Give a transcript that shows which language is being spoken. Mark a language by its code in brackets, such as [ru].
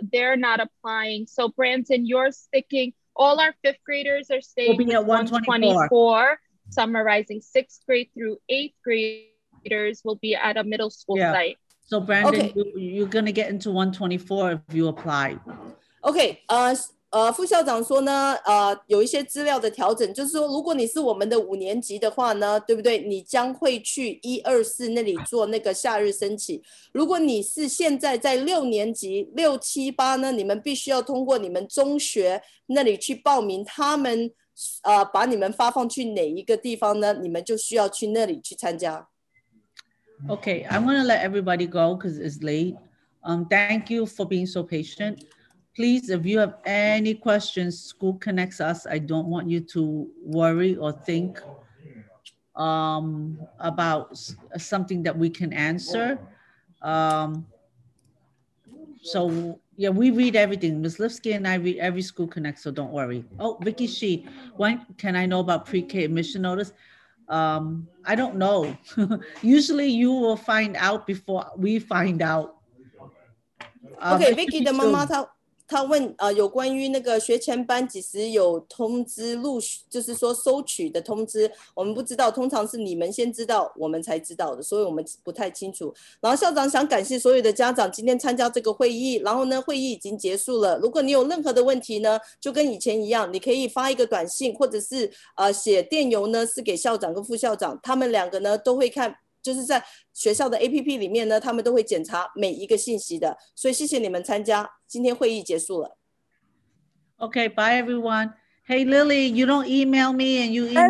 [en] They're not applying. So Brandon, you're sticking, all our fifth graders are staying at 124, Summer Rising. Sixth grade through eighth graders will be at a middle school site. So Brandon, you're going to get into 124 if you apply. Okay. [zh] 副校长说呢，有一些资料的调整，就是说，如果你是我们的五年级的话呢，对不对？你将会去一二四那里做那个夏日申请。如果你是现在在六年级六七八呢，你们必须要通过你们中学那里去报名，他们把你们发放去哪一个地方呢？你们就需要去那里去参加。 [en] Okay, I'm gonna let everybody go because it's late. Thank you for being so patient. Please, if you have any questions, School Connects Us. I don't want you to worry or think about something that we can answer. We read everything. Ms. Lipsky and I read every School Connects, so don't worry. Oh, Vicky Shi, when can I know about pre-K admission notice? I don't know. Usually you will find out before we find out. [zh] Vicky 的妈妈她他问有关于那个学前班几时有通知录取，就是说收取的通知，我们不知道，通常是你们先知道，我们才知道的，所以我们不太清楚。然后校长想感谢所有的家长今天参加这个会议，然后呢，会议已经结束了。如果你有任何的问题呢，就跟以前一样，你可以发一个短信，或者是写电邮呢，是给校长跟副校长，他们两个呢都会看，就是在学校的 APP 里面呢，他们都会检查每一个信息的。所以谢谢你们参加，今天会议结束了。 [en] Okay, bye everyone. Hey Lily, you don't email me and you email